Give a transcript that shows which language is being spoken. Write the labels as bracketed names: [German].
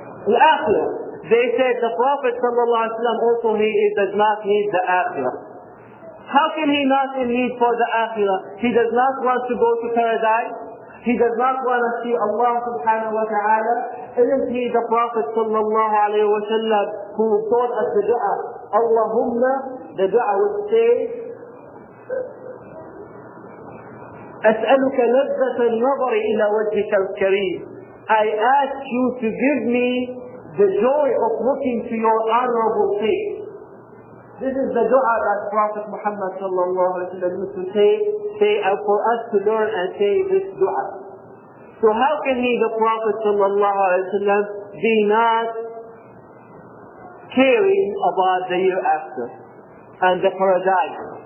[English] Al-akhirah. They said the Prophet sallallahu alayhi wa sallam also he does not need the akhirah. How can he not need for the akhirah? He does not want to go to paradise. He does not want to see Allah subhanahu wa ta'ala. Isn't he the Prophet sallallahu alayhi wa sallam who taught us the du'a? [Arabic] Allahumma, [English] the du'a would say, [Arabic] أسألك لذة النظر إلى وجهك الكريم. [English] I ask you to give me the joy of looking to your honorable face. This is the dua that Prophet Muhammad sallallahu alayhi wa sallam used to say for us to learn and say this dua. So how can he, the Prophet sallallahu alayhi wa sallam, be not caring about the year after and the paradise?